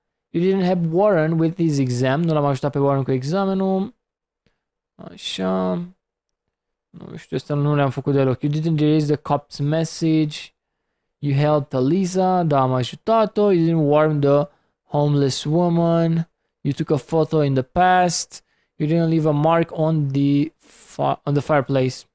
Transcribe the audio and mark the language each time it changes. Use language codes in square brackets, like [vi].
[en] You didn't help Warren with his exam. [ro] Nu l-am ajutat pe Warren cu examenul. Așa. Nu știu, asta nu le-am făcut deloc. [en] You didn't erase the cop's message. You helped Eliza. [ro] Da, am ajutat-o. [en] You didn't warn the homeless woman. You took a photo in the past. You didn't leave a mark on the fireplace.